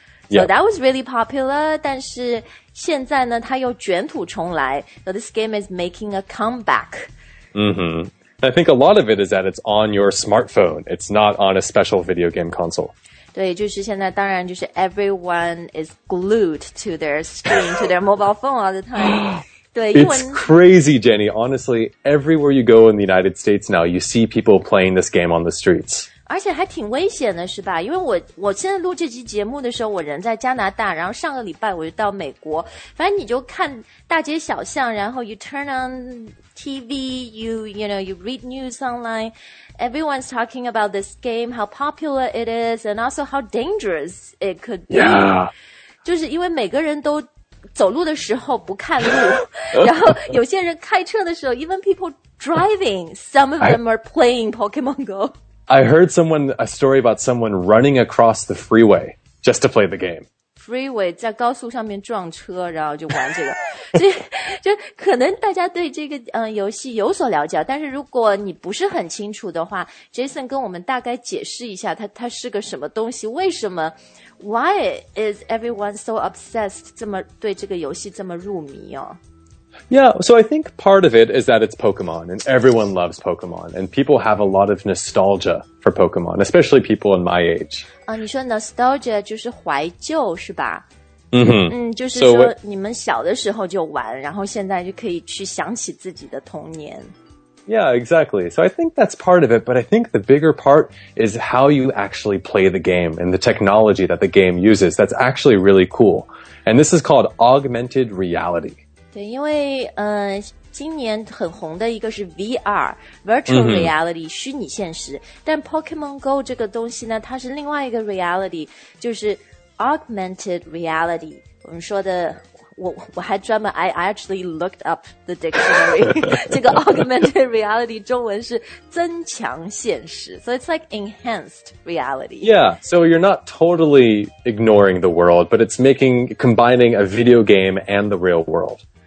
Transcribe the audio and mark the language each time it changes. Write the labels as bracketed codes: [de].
[en] So that was really popular, [zh] 但是现在呢它又卷土重来。 [en] So this game is making a comeback. I think a lot of it is that it's on your smartphone. It's not on a special video game console. [zh] 对，就是现在当然就是 [en] everyone is glued to their screen, to their mobile phone all the time. It's crazy, Jenny. Honestly, everywhere you go in the United States now, you see people playing this game on the streets. [zh] 而且还挺危险的是吧？因为我现在录这期节目的时候，我人在加拿大，然后上个礼拜我就到美国。反正你就看大街小巷，然后 [en] you turn on TV, you read news online. Everyone's talking about this game, how popular it is, and also how dangerous it could be. Yeah. [zh] 就是因为每个人都走路的时候不看路，然后有些人开车的时候 [en] even people driving, some of them are playing Pokemon Go. I heard a story about someone running across the freeway just to play the game. [zh] Freeway, 在高速上面撞车然后就玩这个。就可能大家对这个游戏有所了解，但是如果你不是很清楚的话， Jason 跟我们大概解释一下它是个什么东西，为什么 [en] Why is everyone so obsessed, [zh] 这么对这个游戏这么入迷哦？ [en] Yeah, so I think part of it is that it's Pokemon, and everyone loves Pokemon, and people have a lot of nostalgia for Pokemon, especially people in my age. [zh] 啊，你说 nostalgia 就是怀旧是吧？就是说你们小的时候就玩，然后现在就可以去想起自己的童年。 [en] Yeah, exactly. So I think that's part of it, but I think the bigger part is how you actually play the game and the technology that the game uses. That's actually really cool. And this is called augmented reality. [zh] 对，因为今年很红的一个是 VR, virtual reality, 虚拟现实。但 Pokemon Go 这个东西呢，它是另外一个 reality, 就是 augmented reality, 我们说的我还专门 [en] I actually looked up the dictionary 这个 augmented reality [zh] 中文是增强现实 [en] So it's like enhanced reality Yeah, so you're not totally ignoring the world But it's making, combining a video game and the real world